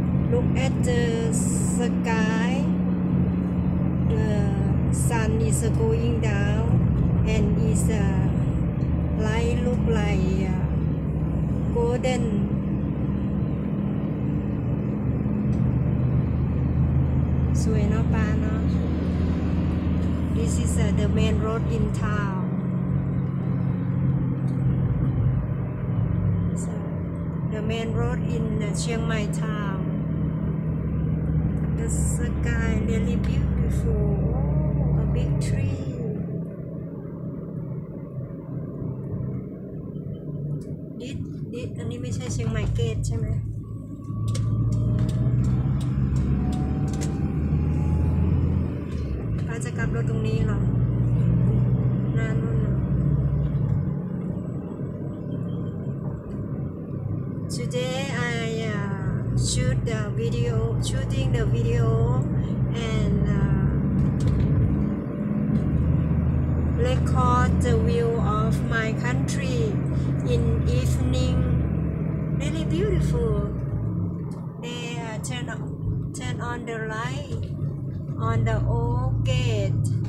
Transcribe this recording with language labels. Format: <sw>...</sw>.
<en>Look at the sky. The sun is going down and is light look like golden.</en> <th>สวยเนาะป้าเนาะ</th> <en>This is the main road in town. So, the main road in Chiang Mai town. The sky really beautiful. Oh, a big tree.</en> <th>อันนี้ไม่ใช่เชียงใหม่เกตใช่ไหม ป้าจะกลับรถตรงนี้หรอนานนู่นหรอ</th> <en>Today I shoot the video shooting the video and record the view of my country in eveningReally beautiful. They turn on the light on the old gate.</en>